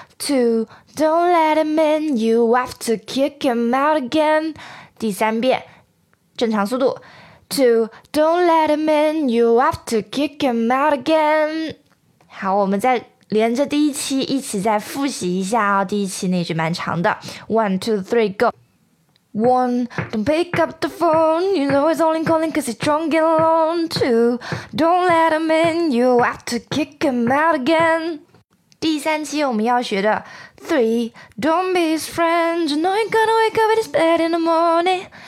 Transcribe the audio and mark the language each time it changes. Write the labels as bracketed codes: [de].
[en] Two, don't let him in, you have to kick him out again. [zh] 第三遍，正常速度。 [en] Two, don't let him in, you have to kick him out again. [zh] 好，我们再连着第一期一起再复习一下哦。第一期那句蛮长的。 [en] One, two, three, go. One, don't pick up the phone, you know it's only calling cause you're drunk and alone. Two, don't let him in, you have to kick him out again. [zh] 第三期我们要学的 [en] Three, don't be his friend, you know you're gonna wake up in his bed in the morning.